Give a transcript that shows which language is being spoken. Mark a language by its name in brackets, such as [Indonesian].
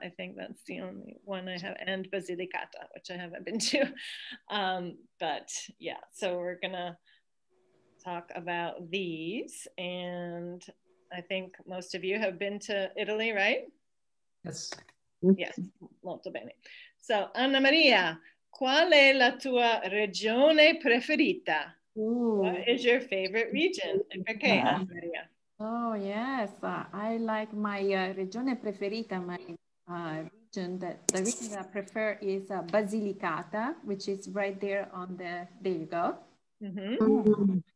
[English] I think that's the only one I have, and Basilicata, which I haven't been to. But yeah, so we're gonna talk about these. And I think most of you have been to Italy, right? Yes. [Italian] Yes, molto bene. So AnnaMaria, qual è la tua regione preferita? Ooh. [English] What is your favorite region? And perché, AnnaMaria? Oh, yes. I like my [Italian] regione preferita, [English] my region, the region that I prefer is Basilicata, which is right there on the, there you go. Mm-hmm.